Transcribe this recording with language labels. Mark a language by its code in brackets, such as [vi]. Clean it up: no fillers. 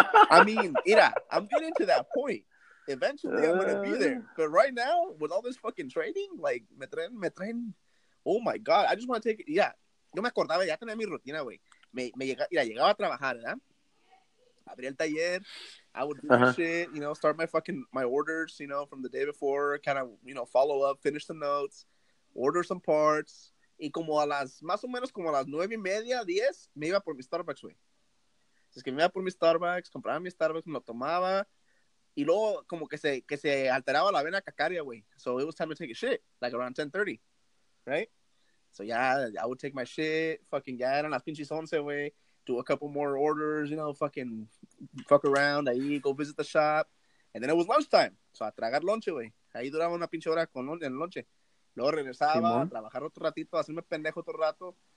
[en] I mean, mira, I'm getting to that point. Eventually, I'm gonna be there. But right now, with all this fucking training, like, [es] me traen, [en] oh my God, I just wanna take it. [es] Yeah, yo me acordaba, ya tenía mi rutina, güey. Llegaba a trabajar, ¿verdad? Abría el taller, [en] I would do shit, you know, start my orders, you know, from the day before, kind of, you know, follow up, finish some notes, order some parts. [es] Y como a las, más o menos como a las 9:30, 10, me iba por mi Starbucks, güey. Es que me iba por mi Starbucks, compraba mi Starbucks, me lo tomaba. Y luego como que se alteraba la vena cacaria, güey. [en] So it was time to take a shit, like around 10:30, right? So yeah, I would take my shit, fucking, [es] ya eran las pinches 11, güey. [en] Do a couple more orders, you know, fucking fuck around ahí, go visit the shop. And then it was lunchtime, so [es] a tragar [en] lunch, güey. [es] Ahí duraba una pinche hora en lunch. Luego regresaba, Simón, a trabajar otro ratito, a hacerme pendejo otro rato.